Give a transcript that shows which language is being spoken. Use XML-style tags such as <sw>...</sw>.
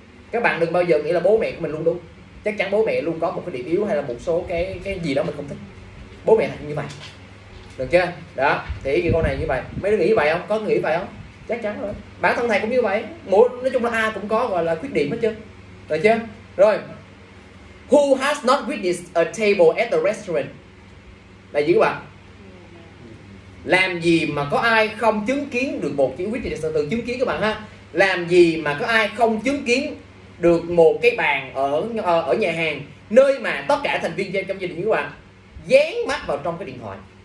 <vi>Các bạn đừng bao giờ nghĩ là bố mẹ của mình luôn đúng, chắc chắn bố mẹ luôn có một cái điểm yếu hay là một số cái gì đó mình không thích, bố mẹ là như vậy, được chưa? Đó thì cái con này như vậy, mấy đứa nghĩ vậy không? Có nghĩ vậy không? Chắc chắn rồi, bản thân thầy cũng như vậy, nói chung là ai cũng có gọi là khuyết điểm hết chứ, được chưa? Rồi</vi> <en>Who has not witnessed a table at the restaurant?</en> <vi>Là gì các bạn? Làm gì mà có ai không chứng kiến được một chữ witness, từ chứng kiến các bạn ha. Làm gì mà có ai không chứng kiến được một cái bàn ở nhà hàng, nơi mà tất cả thành viên trong gia đình các bạn dán mắt vào trong cái điện thoại.</vi>